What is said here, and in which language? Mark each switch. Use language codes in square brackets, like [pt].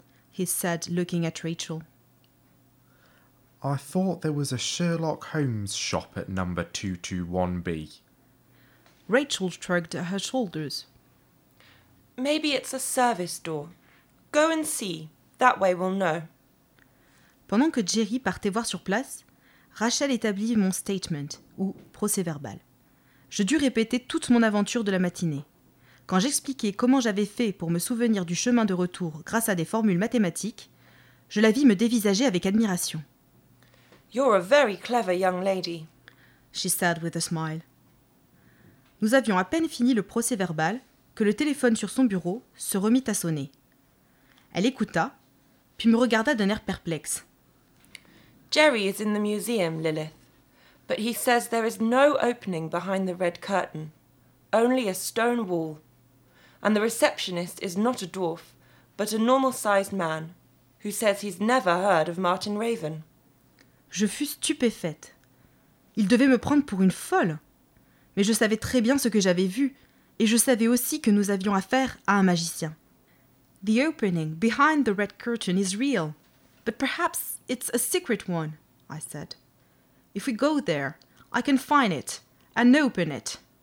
[en] He said, looking at Rachel. I thought there was a Sherlock Holmes shop at number 221B. Rachel shrugged her shoulders. Maybe it's a service door. Go and see. That way we'll know. [fr] Pendant que Jerry partait voir sur place, Rachel établit mon statement, ou procès-verbal. Je dus répéter toute mon aventure de la matinée. Quand j'expliquais comment j'avais fait pour me souvenir du chemin de retour grâce à des formules mathématiques, je la vis me dévisager avec admiration. [en] You're a very clever young lady, she said with a smile. [fr] Nous avions à peine fini le procès-verbal que le téléphone sur son bureau se remit à sonner. Elle écouta, puis me regarda d'un air perplexe. [en] Jerry is in the museum, Lilith, but he says there is no opening behind the red curtain, only a stone wall. And the receptionist is not a dwarf, but a normal-sized man, who says he's never heard of Martin Raven. [fr] Je fus stupéfaite. Il devait me prendre pour une folle. Mais je savais très bien ce que j'avais vu, et je savais aussi que nous avions affaire à un magicien. [en] The opening behind the red curtain is real, but perhaps it's a secret one, I said. If we go there, I can find it and open it.